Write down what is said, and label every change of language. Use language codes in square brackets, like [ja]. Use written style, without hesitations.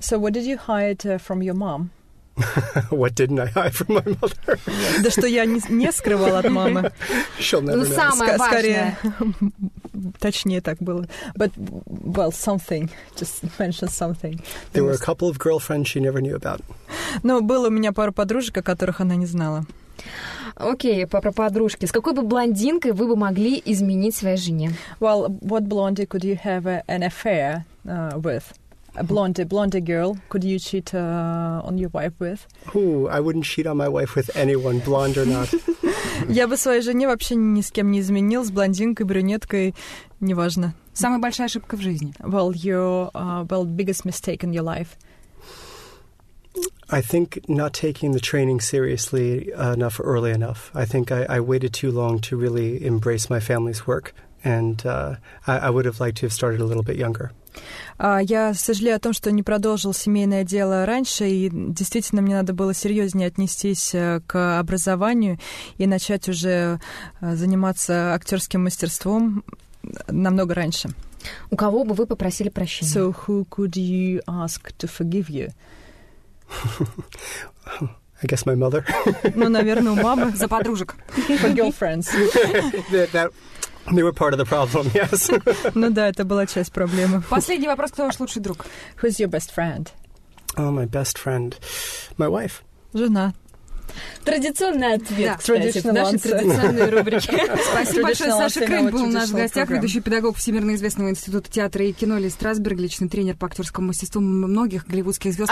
[en] So what did you hide from your mom? What didn't I hide from my mother? [ru] Да что я не скрывала от мамы. [en] She'll never know. [ru] Самое важное. Скорее, точнее так было. [en] But, well, something. Just mention something. There were a couple of girlfriends she never knew about. [ru] Ну, было у меня пару подружек, о которых она не знала. Окей, про подружки. С какой бы блондинкой вы бы могли изменить своей жене? [en] Well, what blondie could you have an affair with? A blondie girl, could you cheat on your wife with? Ooh, I wouldn't cheat on my wife with anyone, blonde or not. [ru] Я бы своей жене вообще ни с кем не изменил, с блондинкой, брюнеткой, неважно. Самая большая ошибка в жизни? [en] Well, biggest mistake in your life. I think not taking the training seriously enough early enough. I think I waited too long to really embrace my family's work, and I would have liked to have started a little bit younger. [ru] Я сожалею о том, что не продолжил семейное дело раньше, и действительно мне надо было серьезнее отнестись к образованию и начать уже заниматься актерским мастерством намного раньше. У кого бы вы попросили прощения? [en] So who could you ask to forgive you? I guess my mother. [ru] Ну, наверное, у мамы. За подружек. [en] For girlfriends. They were part of the problem, yes. [ru] Ну да, это была часть проблемы. Последний вопрос. Кто ваш лучший друг? [en] Who's your best friend? Oh, my best friend. My wife. [ru] Жена. Традиционный ответ, да, кстати, в нашей традиционной рубрике. Спасибо большое, Саша Крейн был у нас в гостях, ведущий педагог всемирно известного института театра и кино Ли Страсберг, личный тренер по актерскому мастерству многих голливудских звезд.